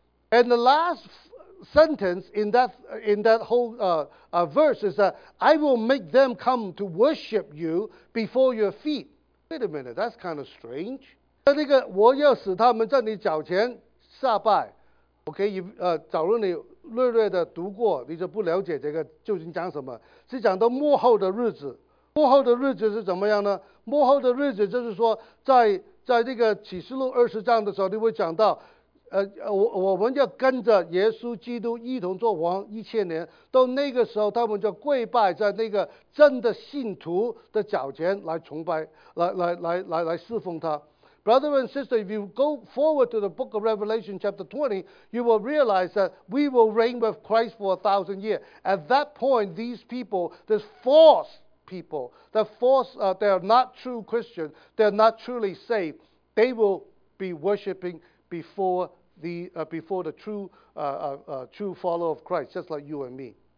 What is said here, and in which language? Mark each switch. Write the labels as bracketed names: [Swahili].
[English] And the last sentence in that whole verse is that I will make them come to worship you before your feet. Wait a minute, that's kind of strange. [Chinese] 那那个我要使他们在你脚前下拜。 OK, 假如你略略的读过，你就不了解这个究竟讲什么，是讲到末后的日子。末后的日子是怎么样呢？末后的日子就是说在这个启示录二十章的时候，你会讲到我们要跟着耶稣基督一同做王一千年，到那个时候他们就跪拜在那个真的信徒的脚前来崇拜，来侍奉他。 [English] Brother and sister, if you go forward to the book of Revelation chapter 20, you will realize that we will reign with Christ for 1,000 years. At that point, these people, this false people, the false, they are not true Christian, they are not truly saved, they will be worshipping before the true follower of Christ, just like you and me.